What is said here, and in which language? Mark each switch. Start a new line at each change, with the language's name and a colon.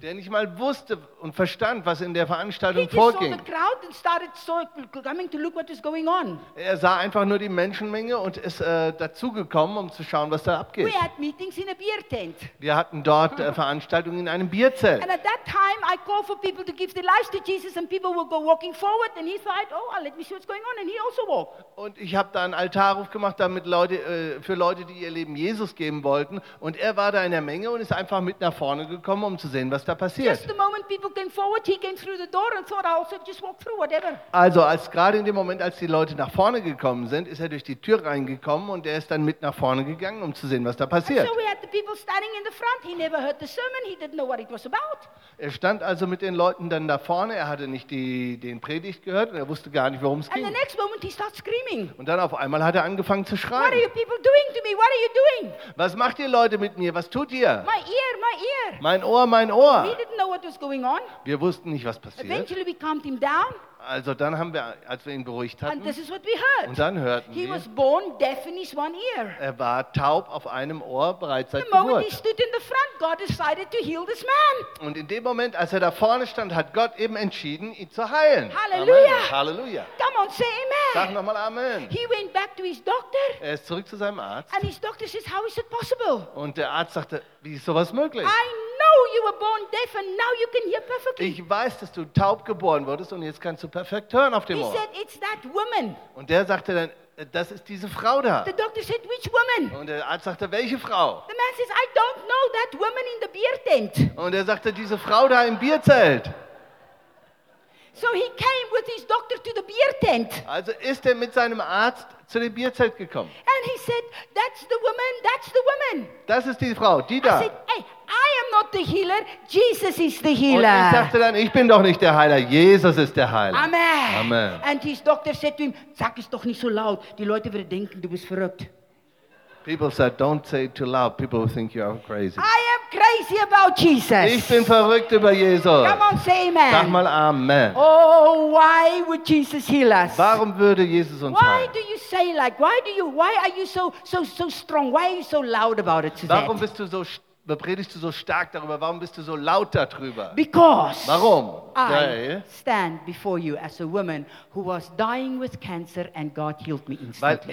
German: Der nicht mal wusste und verstand, was in der Veranstaltung
English: he
German: vorging.
English: He just saw the crowd and started coming to look what was going on.
German: Er sah einfach nur die Menschenmenge und ist dazu gekommen, um zu schauen, was da abgeht.
English: We had meetings in a beer tent.
German: Wir hatten dort Veranstaltungen in einem Bierzelt.
English: And at that time I called for people to give their lives to Jesus and people would go walking forward and he thought, oh, I'll let me see what's going on and he also walked.
German: Und ich habe da einen Altarruf gemacht, damit Leute für Leute, die ihr Leben Jesus geben wollten und er war da in der Menge und ist einfach mit nach vorne gekommen, um zu sehen, was da passiert.
English: Just the moment people came forward, he came through the door and thought I also just walk through whatever.
German: Also, als gerade in dem Moment, als die Leute nach vorne gekommen sind, ist er durch die Tür reingekommen und er ist dann mit nach vorne gegangen, um zu sehen, was da passiert.
English: So we had the people standing in the front. He never heard the sermon. He didn't know what it was about.
German: Er stand also mit den Leuten dann da vorne. Er hatte nicht den Predigt gehört und er wusste gar nicht, worum es ging.
English: And the next moment he starts screaming.
German: Und dann auf einmal hat er angefangen zu schreien.
English: What are you people doing to me? What are you doing?
German: Was macht ihr Leute mit mir? Was tut ihr?
English: My ear, my ear.
German: Mein Ohr, mein Ohr.
English: We didn't know what was going on.
German: Wir wussten nicht, was passiert.
English: Eventually we calmed him down.
German: Also dann haben wir, als wir ihn beruhigt hatten,
English: and this is what we heard.
German: Und dann hörten
English: he
German: wir,
English: was born deaf in his one ear.
German: Er war taub auf einem Ohr bereits seit
English: the
German: Geburt.
English: He stood in the front, God decided to heal this man.
German: Und in dem Moment, als er da vorne stand, hat Gott eben entschieden, ihn zu heilen. Halleluja! Amen. Halleluja!
English: Come on, say amen.
German: Sag nochmal Amen.
English: He went back to his doctor.
German: Er ist zurück zu seinem Arzt.
English: And his doctor says, how is it possible?
German: Und der Arzt sagte, wie ist sowas möglich?
English: You were born deaf and now you can hear perfectly.
German: Ich weiß, dass du taub geboren wurdest und jetzt kannst du perfekt hören auf dem Ohr.
English: He said, it's that woman.
German: Und der sagte dann, das ist diese Frau da.
English: The doctor said, which woman?
German: Und der Arzt sagte, welche Frau?
English: The man says, I don't know that woman in the beer tent.
German: Und er sagte, diese Frau da im Bierzelt.
English: So he came with his doctor to the beer tent.
German: Also ist er mit seinem Arzt zu dem Bierzelt gekommen.
English: And he said, that's the woman, that's the woman.
German: Das ist die Frau, die da.
English: I said, hey, I am not the healer, Jesus is the healer.
German: Und er sagte dann, ich bin doch nicht der Heiler, Jesus ist der Heiler. Amen. Amen.
English: And his doctor said to him,
German: sag es doch nicht so laut, die Leute würden denken, du bist verrückt.
English: People said, don't say it too loud, people will think you are crazy. I am crazy about Jesus.
German: Ich bin verrückt über Jesus.
English: Come on, say amen.
German: Sag mal amen.
English: Oh, why would Jesus heal us?
German: Warum würde Jesus uns
English: why
German: heilen?
English: Do you say like, why do you, why are you so strong? Why are you so loud about it?
German: Warum bist du so predigst du so stark darüber? Warum bist du so laut darüber?
English: Because
German: warum?
English: I stand before you as a woman who was dying with cancer and God healed me instantly.